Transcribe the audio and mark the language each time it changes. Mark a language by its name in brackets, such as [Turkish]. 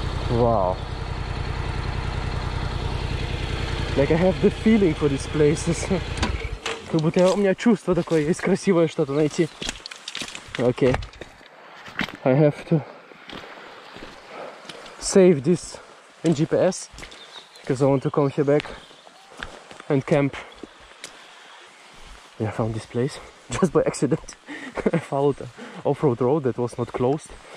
[English] Wow. Like I have the feeling for these places. [Russian] Как будто у меня чувство такое есть, красивое что-то найти. [English] Okay. I have to save this in GPS because I want to come here back and camp. Yeah, I found this place just by accident. I followed an off-road road that was not closed.